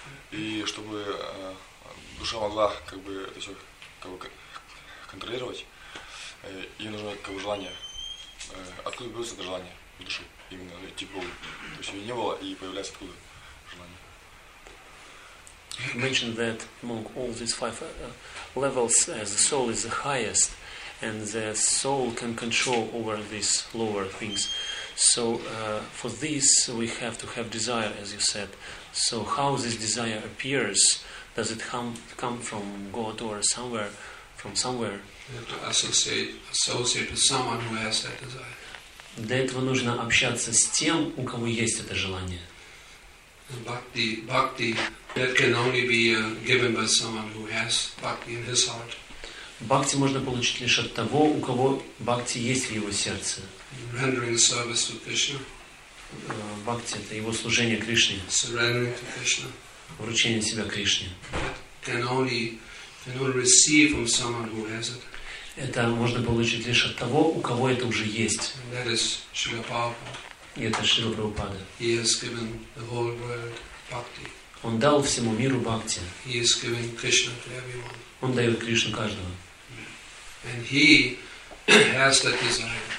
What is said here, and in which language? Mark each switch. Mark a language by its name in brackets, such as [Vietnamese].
[Russian] И чтобы душа могла как бы это все как бы контролировать, ей нужно как бы желание. Откуда берется это желание в душе? Именно типа. То есть ее не было, и появляется откуда желание. [English] mentioned that among all these five levels, the soul is the highest, and the soul can control over these lower things. So for this, we have to have desire, as you said. So how this desire appears? Does it come from God or somewhere, from somewhere? You have to associate with someone who has that desire. [Russian] Для этого нужно общаться с тем, у кого есть это желание. [English] Bhakti, that can only be given by someone who has bhakti in his heart. [Russian] Bhakti можно получить лишь от того, у кого bhakti есть в его сердце. [English] Rendering service to Krishna. [Russian] Bhakti – это его служение Кришне. [English] Surrendering to Krishna. [Russian] Вручение себя Кришне. [English] That can only receive from someone who has it. [Russian] Это можно получить лишь от того, у кого это уже есть. [English] That is Srila Prabhupada. [Russian] И это Шрила Прабхупада. [English] He has given the whole world bhakti. [Russian] Он дал всему миру бхакти. [English] He has given Krishna to everyone. [Russian] Он дает Кришну каждому. [English] And he has that desire.